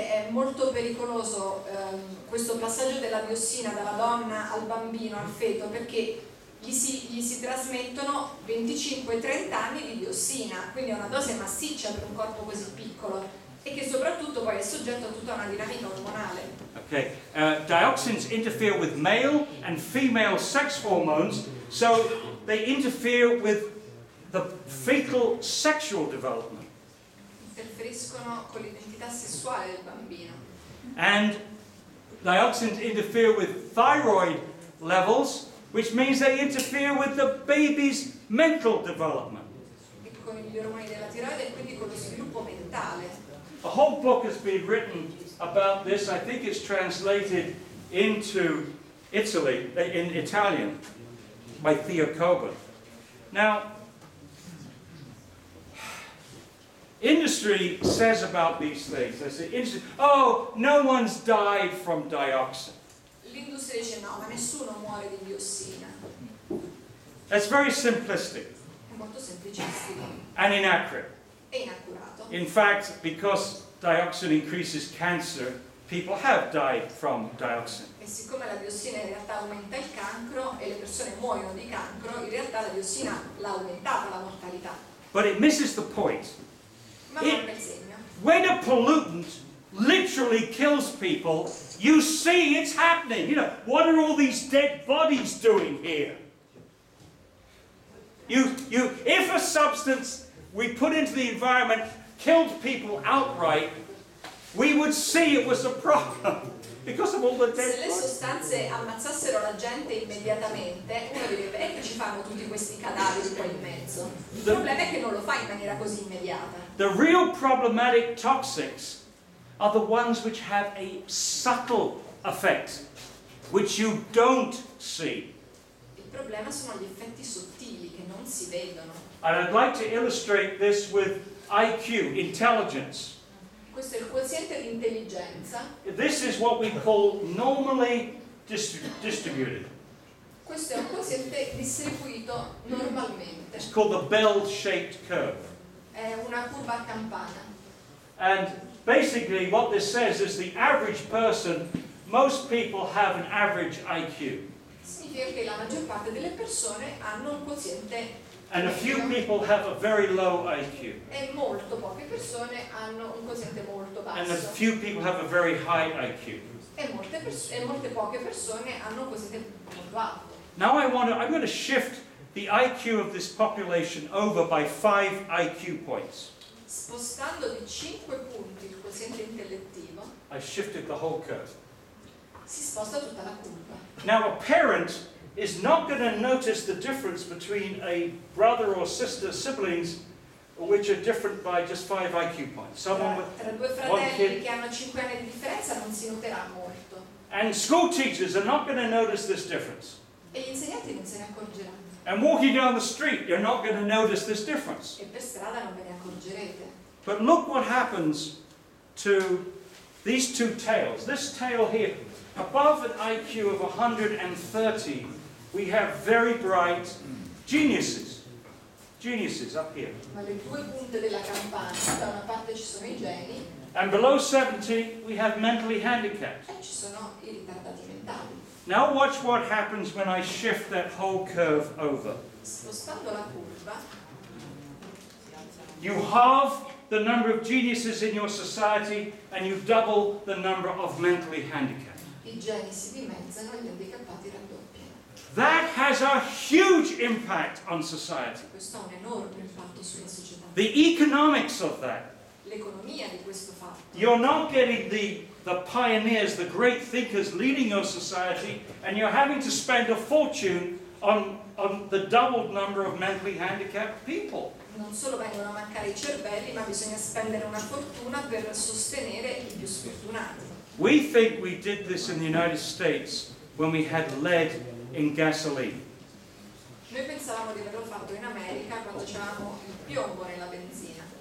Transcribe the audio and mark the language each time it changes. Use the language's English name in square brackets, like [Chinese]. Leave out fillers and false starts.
[Italian] molto pericoloso questo passaggio della diossina dalla donna al bambino, al feto, perché gli si trasmettono 25-30 anni di diossina, quindi è una dose massiccia per un corpo così piccolo e che soprattutto poi è soggetto a tutta una dinamica ormonale. [English] Okay, dioxins interfere with male and female sex hormones, so they interfere with the fecal sexual development. [Italian] Interferiscono con l'identità sessuale del bambino. [English] And dioxins interfere with thyroid levels, which means they interfere with the baby's mental development. [Italian] E con gli ormoni della tiroide, quindi con lo sviluppo mentale. [English] A whole book has been written about this. I think it's translated into Italy, in Italian, by Theo Coburn. Now, industry says about these things. They say, "Oh, no one's died from dioxin." [Italian] L'industria dice no, ma nessuno muore di diossina. [English] That's very simplistic. [Italian] È molto semplicistico. [English] And inaccurate. [Italian] E inaccurato. [English] In fact, because dioxin increases cancer, people have died from dioxin. [Italian] E siccome la diossina in realtà aumenta il cancro e le persone muoiono di cancro, in realtà la diossina l'ha aumentata la mortalità. [English] But it misses the point. [Italian] Ma [English] when a pollutant literally kills people, you see it's happening. You know, what are all these dead bodies doing here? If a substance we put into the environment killed people outright, we would see it was a problem because of all the dead bodies. [Italian] Se le sostanze ammazzassero la gente immediatamente, uno direbbe, e che ci fanno tutti questi cadaveri qua in mezzo? Il problema è che non lo fa in maniera così immediata. [English] The real problematic toxics are the ones which have a subtle effect, which you don't see. [Italian] Il problema sono gli effetti sottili che non si vedono. [English] And I'd like to illustrate this with IQ, intelligence. [Italian] Questo è il quoziente di intelligenza. [English] This is what we call normally distributed. [Italian] Questo è un quoziente distribuito normalmente. [English] It's called the bell-shaped curve. [Italian] È una curva a campana. [English] And basically what this says is the average person, most people have an average IQ. [Italian] Significa che la maggior parte delle persone hanno un quoziente. [English] And a few people have a very low IQ. [Italian] E molto poche persone hanno un quoziente molto basso. [English] And a few people have a very high IQ. [Italian] E molte poche persone hanno un quoziente molto alto. [English] Now I'm going to shift the IQ of this population over by 5 IQ points. [Italian] Spostando di 5 punti il quoziente intellettivo. [English] I shifted the whole curve. [Italian] Si sposta tutta la curva. [English] Now a parent is not going to notice the difference between a brother or sister, siblings, which are different by just 5 IQ points. Someone with [Italian] tra due fratelli [English] one kid, [Italian] che hanno 5 anni di differenza non si noterà molto. [English] And school teachers are not going to notice this difference. [Italian] E gli insegnanti non se ne accorgeranno. [English] And walking down the street, you're not going to notice this difference. [Italian] E per strada non ve ne accorgerete. [English] But look what happens to these two tails. This tail here, above an IQ of 130, we have very bright geniuses. Geniuses up here. [Italian] Ma le due punte della campana, da una parte ci sono i geni. [English] And below 70, we have mentally handicapped. [Italian] E ci sono i ritardati mentali. [English] Now watch what happens when I shift that whole curve over. [Italian] Spostando la curva. [English] You halve the number of geniuses in your society and you double the number of mentally handicapped. [Italian] I geni si dimezzano e gli handicappati raddoppiano. [English] That has a huge impact on society. [Italian] Questo ha un enorme impatto sulla società. [English] The economics of that. [Italian] L'economia di questo fatto. [English] You're not getting the pioneers, the great thinkers leading your society, and you're having to spend a fortune on the doubled number of mentally handicapped people. [Italian] Non solo vengono a mancare i cervelli, ma bisogna spendere una fortuna per sostenere i più sfortunati. [English] We think we did this in the United States when we had lead in gasoline. [Italian] Noi pensavamo di averlo fatto in America quando c'eravamo il piombo nella benzina.